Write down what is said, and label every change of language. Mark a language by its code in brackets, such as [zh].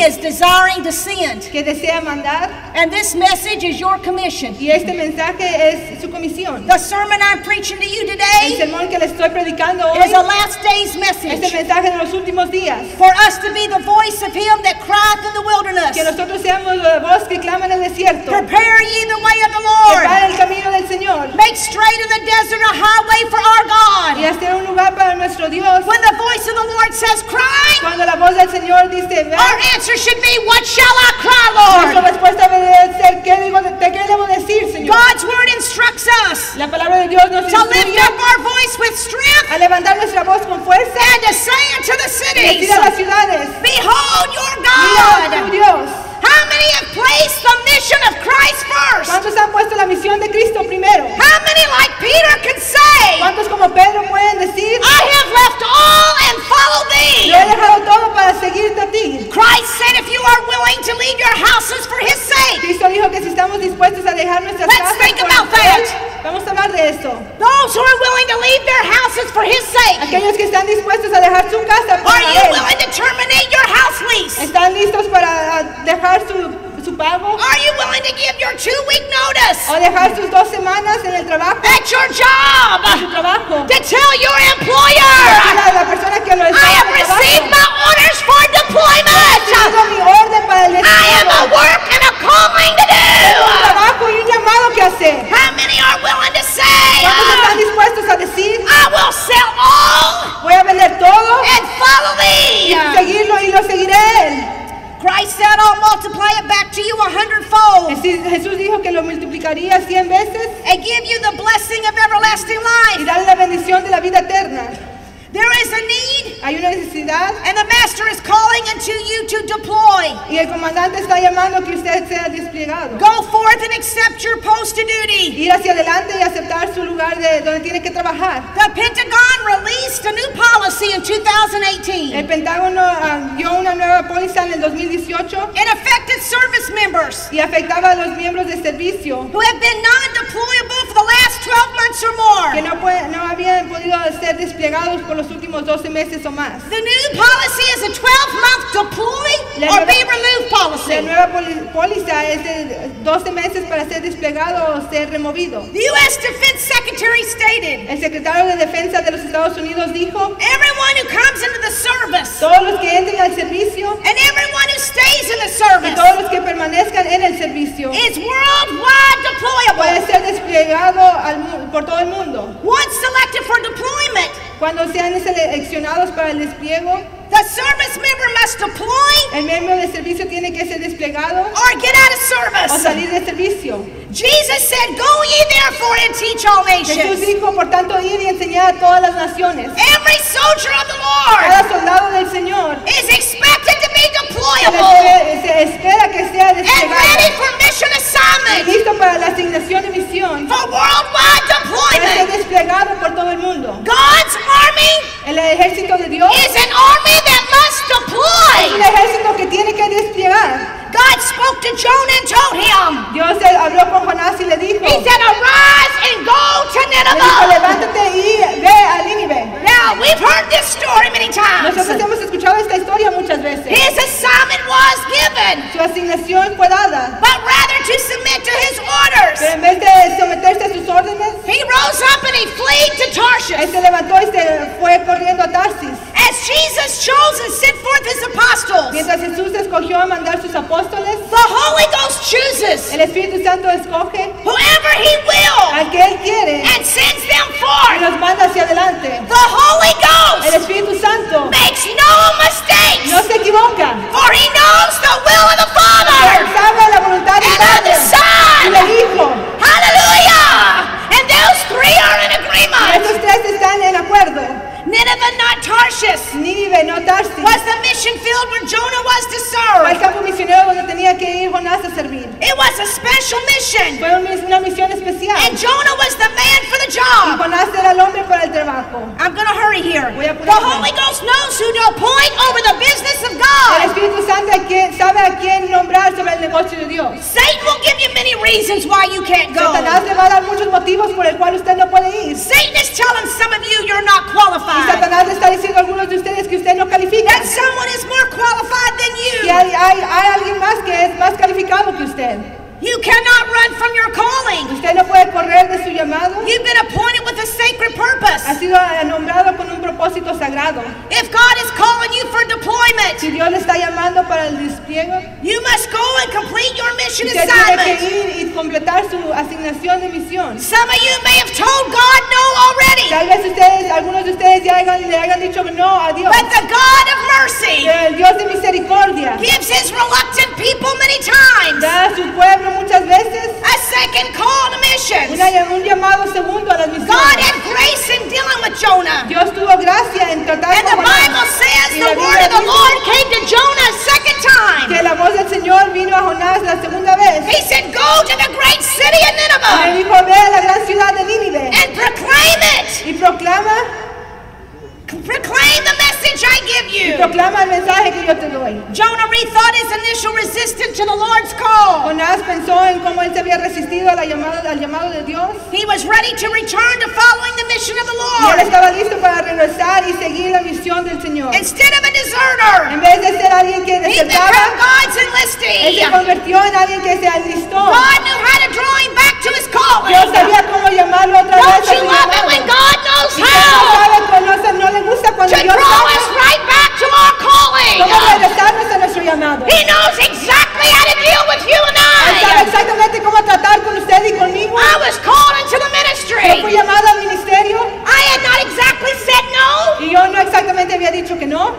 [en] He is desiring to send. [es] Que desea mandar. [en] And this message is your commission. [es] Y este mensaje es su comisión. [en] The sermon I'm preaching to you today [es] el sermón que le estoy predicando hoy [en] is a last day's message. [es] Este mensaje de los últimos días. [en] For us to be the voice of him that cried in the wilderness. [es] Que nosotros seamos la voz que clama en el desierto. [en] Prepare ye the way of the Lord. [es] Prepare el camino del Señor. [en] Make straight in the desert a highway for our God. [es] Y hacer un lugar para nuestro Dios. [en] When the voice of the Lord says, cry, [es] cuando la voz del Señor dice, [en] our answer should be, what shall I cry, Lord? [es] Nuestra respuesta debe ser, ¿qué debo de qué debo decir, Señor? [en] God's word instructs us [es] la palabra de Dios nos [en] to lift up our voice with strength [es] a levantar nuestra voz con fuerza [en] and to say unto the cities, [es] decir a las ciudades, [en] behold your God. [es] Mira tu Dios. [en] How many have placed the mission of Christ first? [es] ¿Cuántos han puesto la misión de Cristo primero? [en] How many like Peter can say? [es] ¿Cuántos como Pedro pueden decir? [en] I have left all and followed thee. [es] Yo he dejado todo para seguirte a ti. [en] Christ said, if you are willing to leave your houses for his sake. [es] Cristo dijo que si estamos dispuestos a dejar nuestras [en] let's [es] casas [en] think [es] por [en] about that. [es] Vamos a hablar de esto. [en] Those who are willing to leave their houses for his sake. [es] Aquellos que están dispuestos a dejar su casa por [en] are [es] él. [en] You willing to terminate your house lease? [es] ¿Están listos para dejar su pago? [en] Are you willing to give your 2-week notice? [es] ¿O dejar sus dos semanas en el trabajo? [en] At your job. [es] En su trabajo. [en] To tell your employer. [es] La persona que lo está [en] I have received [es] trabajo. [en] My orders for deployment. [es] He recibido mi orden para el despliegue. [en] I have a work and a calling to do. [es] Un trabajo y un llamado que hacer. [en] How many are willing to say? [es] ¿Cuántos están dispuestos a decir? [en] I will sell all. [es] Voy a vender todo. [en] And follow me. [es] Y seguirlo y lo seguiré. [en] Christ said, "I'll multiply it back to you 100-fold." [es] Jesús dijo que lo multiplicaría 100 veces. [en] And give you the blessing of everlasting life. [es] Y darle la bendición de la vida eterna. [en] There is a need. [es] Hay una necesidad. [en] And the master is calling unto you to deploy. [es] Y el comandante está llamando que usted sea desplegado. [en] Go forth and accept your post of duty. [es] Ir hacia adelante y aceptar su lugar de donde tiene que trabajar. [en] The Pentagon released a new policy in 2018. [es] El Pentágono dio una nueva póliza en el 2018. [en] It affected service members. [es] Y afectaba a los miembros de servicio. [en] Who have been non-deployable for the last 12 months or more. [es] Que no habían podido ser desplegados por los últimos 12 meses o más. [en] The new policy is a 12-month deploy or be removed policy. [es] La nueva póliza es de 12 meses para ser desplegado o ser removido. [en] The U.S. Defense Secretary stated. [es] El secretario de defensa de los Estados Unidos dijo. [en] Everyone who comes into the service. [es] Todos los que entren al servicio. [en] And everyone who stays in the service. [es] Y todos los que permanezcan en el servicio. [en] Is worldwide deployable. [es] Puede ser desplegado por todo el mundo. [en] Once selected for deployment. [es] Cuando sean seleccionados para el despliego, [en] the service member must deploy. [es] El miembro de servicio tiene que ser desplegado. [en] Or get out of service. [es] O salir de servicio. [en] Jesus said, "Go ye therefore and teach all nations." [es] Jesús dijo, por tanto, ir y enseñar a todas las naciones. [en] Every soldier of the Lord. [es] Cada soldado del Señor. [en] Is expected to be deployable. [es] Se espera que sea desplegado. [en] And ready for mission assignment. [es] Y listo para la asignación de misión. [en] For worldwide deployment. [es] Para ser desplegado por todo el mundo. [en] God's army. [es] El ejército de Dios. [en] Is an army that must deploy. [es] Es un ejército que tiene que desplegar. [en] God spoke to Jonah and told him. [es] Dios habló con Jonás y le dijo. [en] He said, "Arise and go to Nineveh." [es] Le dijo, levántate y ve a Nínive. [en] Now we've heard this story many times. [es] Nosotros hemos escuchado esta historia muchas veces. [en] His assignment was given. [es] Su asignación fue dada. [en] But rather to submit to his orders. [es] Pero en vez de someterse a sus órdenes. [en] He rose up and he fled to Tarshish. [es] Él se levantó y se fue corriendo a Tarsis. [en] As Jesus chose and sent forth his apostles. [es] Mientras Jesús escogió a mandar sus apóstoles. [en] The Holy Ghost chooses. [es] El Espíritu Santo escoge. [en] Whoever he will. [es] Al que él quiere. [en] And sends them forth. [es] Y los manda hacia adelante. [en] The Holy Ghost. [es] El Espíritu Santo. [en] Makes no mistakes. [es] No se equivoca. [en] For he knows the will of the Father. [es] Sabe la voluntad del Padre. [en] And of the Son. [es] Y del Hijo. [en] Hallelujah. And those three are in agreement. [es] Y estos tres están en acuerdo. [en] Nineveh, not Tarshish. [es] Nínive, no Tarsis. [en] Was the mission field where Jonah was to serve? [es] El campo misionero donde tenía que ir Jonás a servir. [en] It was a special mission. [es] Fue una misión especial. [en] And Jonah was the man for the job. [es] Y Jonás era el hombre para el trabajo. [en] I'm gonna hurry here. [es] Voy a [en] the Holy Ghost knows who to appoint over the business of God. [es] El Espíritu Santo sabe a quién nombrar sobre el negocio de Dios. [en] Satan will give you many reasons why you can't go. [es] Satanás le va a dar muchos motivos por el cual usted no puede ir. [en] Satan is telling some of you you're not qualified. [es] Y Satanás le está diciendo a algunos de ustedes que usted no califica. [en] That someone is more qualified than you. [es] Y hay alguien más que es más calificado que usted. [en] You cannot run from your calling. [es] Usted no puede correr de su llamado. [en] You've been appointed with a sacred purpose. [es] Ha sido nombrado con un propósito sagrado. [en] If God is calling you for deployment, [es] si Dios le está llamando para el despliegue, [en] you must go and complete your mission [es] usted [en] assignment. [es] Tiene que ir y completar su asignación de misión. [en] Some of you may have told God no already. [es] Tal vez ustedes, algunos de ustedes ya le hayan dicho no a Dios. [en] But the God of mercy, [es] el Dios de misericordia, [en] gives his reluctant people many times. [es] Da a su pueblo muchas veces. [en] A second call to missions. [es] Un llamado segundo a las misiones. [en] God had grace in dealing with Jonah. [es] Dios tuvo gracia en tratar con Jonah. [en] And the Bible says the word of the Lord came to Jonah a second time. [es] Que la voz del Señor vino a Jonás la segunda vez. [en] He said, "Go to the great city of Nineveh." [es] Y dijo, ve a la gran ciudad de Nínive. [en] And proclaim it. [es] Y proclama. [en] Proclaim the message I give you. [es] Y proclama el mensaje que yo te doy. [en] Jonah rethought his initial resistance to the Lord's call. [es] Jonás pensó en cómo él se había resistido al llamado de Dios. [en] He was ready to return to following the mission of the Lord. [es] Y él estaba listo para regresar y seguir la misión del Señor. [en] Instead of a deserter. [es] En vez de ser alguien que desertaba. [en] He became God's enlistee. [es] Él se convirtió en alguien que se alistó. [en] God knew how to draw him back to his calling. [es] Dios sabía cómo llamarlo otra [en] Don't [es] vez. [en] Don't you love [es] llamado. [en] It when God knows how? [es] Le gusta cuando [en] to draw us right back to our calling. [es] ¿Cómo regresarnos a nuestro llamado? [en] He knows exactly how to deal with you and I. [es] Él sabe exactamente cómo tratar con usted y conmigo. [en] I was called into the ministry. [es] Yo fui llamado al ministerio. [en] I had not exactly said no. [es] Y yo no exactamente había dicho que no.